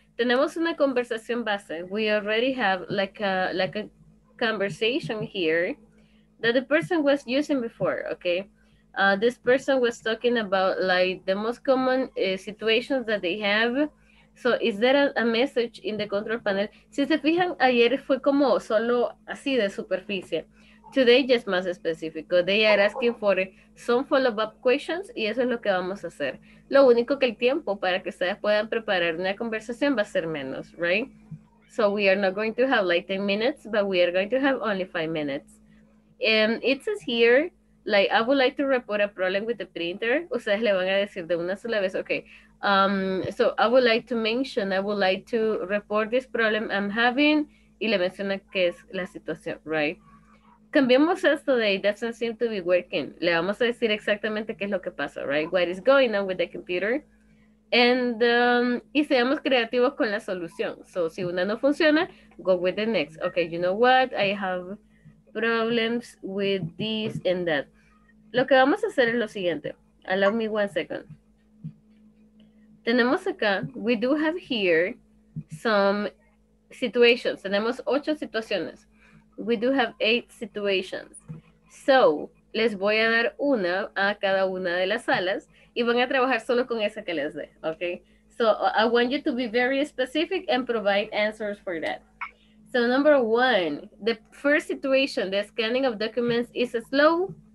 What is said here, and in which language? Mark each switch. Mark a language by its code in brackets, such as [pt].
[es] Tenemos una conversación base. [en] We already have like a conversation here that the person was using before, okay? This person was talking about, like, the most common situations that they have. So, is there a message in the control panel? [es] Si se fijan, ayer fue como solo así de superficie. Today, ya es más específico. [en] They are asking for some follow-up questions, [es] y eso es lo que vamos a hacer. Lo único que el tiempo para que ustedes puedan preparar una conversación va a ser menos, right? [en] So, we are not going to have, like, 10 minutes, but we are going to have only 5 minutes. And it says here, like, I would like to report a problem with the printer. [es] Ustedes le van a decir de una sola vez, okay. [en] So I would like to mention, I would like to report this problem I'm having. [es] Y le menciona que es la situación, right? Cambiamos esto de [en] it doesn't seem to be working. [es] Le vamos a decir exactamente qué es lo que pasa, right? [en] What is going on with the computer. And [es] y seamos creativos con la solución. [en] So [es] si una no funciona, [en] go with the next. Okay, you know what? I have problems with this and that. [es] Lo que vamos a hacer es lo siguiente. [en] Allow me one second. [es] Tenemos acá, [en] we do have here some situations. [es] Tenemos 8 situaciones. [en] We do have 8 situations. [es] So, les voy a dar una a cada una de las salas y van a trabajar solo con esa que les dé, okay? [en] So, I want you to be very specific and provide answers for that. So number one, the first situation, the scanning of documents is slow.